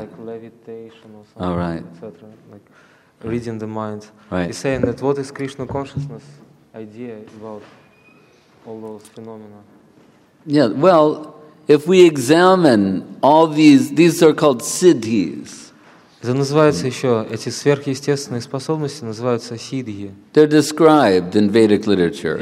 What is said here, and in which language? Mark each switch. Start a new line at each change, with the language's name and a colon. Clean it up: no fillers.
English: like levitation or something, oh, right, etc., like reading the mind. Right. He's saying that what is Krishna consciousness idea about all those phenomena? Yeah, well, if we examine all these are called siddhis.
Russian: Это называется еще, эти сверхъестественные способности называются сиддхи.
English: They're described in Vedic literature.